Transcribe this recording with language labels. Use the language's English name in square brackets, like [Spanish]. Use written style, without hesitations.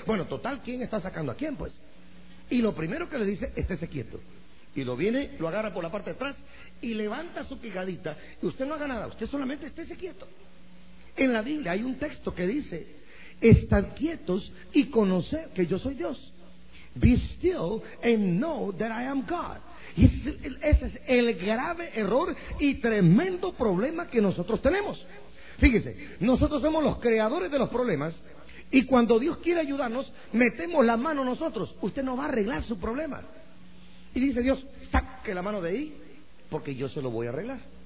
[Spanish] Bueno, total, ¿quién está sacando a quién, pues? Y lo primero que le dice, estése quieto. Y lo viene, lo agarra por la parte de atrás y levanta su quijadita. Y usted no haga nada, usted solamente estése quieto. En la Biblia hay un texto que dice, estad quietos y conoced que yo soy Dios. [English] Be still and know that I am God. [Spanish] Y ese es el grave error y tremendo problema que nosotros tenemos. Fíjese, nosotros somos los creadores de los problemas, y cuando Dios quiere ayudarnos, metemos la mano nosotros. Usted no va a arreglar su problema. Y dice Dios, saque la mano de ahí, porque yo se lo voy a arreglar.